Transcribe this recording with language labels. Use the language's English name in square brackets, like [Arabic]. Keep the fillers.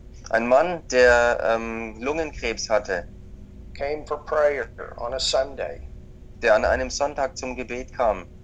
[German] Ein Mann, der ähm, Lungenkrebs hatte. [English] Came for prayer on a Sunday. [German] Der an einem Sonntag zum Gebet kam.